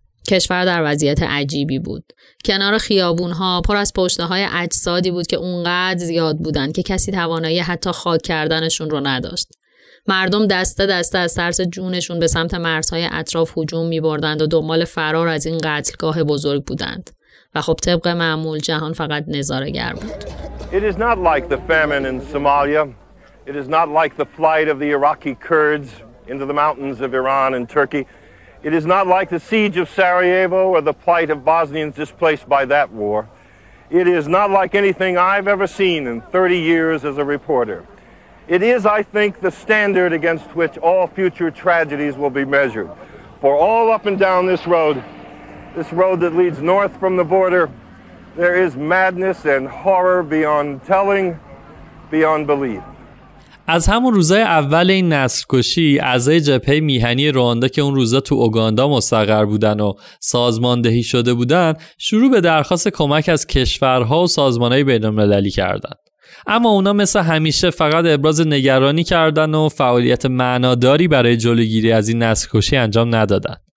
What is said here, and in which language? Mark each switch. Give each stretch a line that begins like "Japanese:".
Persian: کشور در وضعیت عجیبی بود. کنار خیابون‌ها پر از پشته‌های اجسادی بود که اونقدر زیاد بودند که کسی توانایی حتی خاک کردنشون رو نداشت. مردم دسته دسته از ترس جونشون به سمت مرزهای اطراف هجوم می‌بردند و دنبال فرار از این قتلگاه بزرگ بودند. و خب طبق معمول جهان فقط نظاره‌گر بود.
English: It is not like the famine in Somalia. It is not like the flight of the Iraqi Kurds into the mountains of Iran and Turkey. It is not like the siege of Sarajevo or the plight of Bosnians displaced by that war. It is not like anything I've ever seen in 30 years as a reporter. It is, I think, the standard against which all future tragedies will be measured. For all up and down this road that leads north from the border, there is madness and horror beyond telling, beyond belief.
Persian: از همون روزای اول این نسل‌کشی، اعضای جبهه میهنی رواندا که اون روزا تو اوگاندا مستقر بودن و سازماندهی شده بودن، شروع به درخواست کمک از کشورها و سازمان‌های بین‌المللی کردند. اما اونا مثل همیشه فقط ابراز نگرانی کردن و فعالیت معناداری برای جلوگیری از این نسل‌کشی انجام ندادن.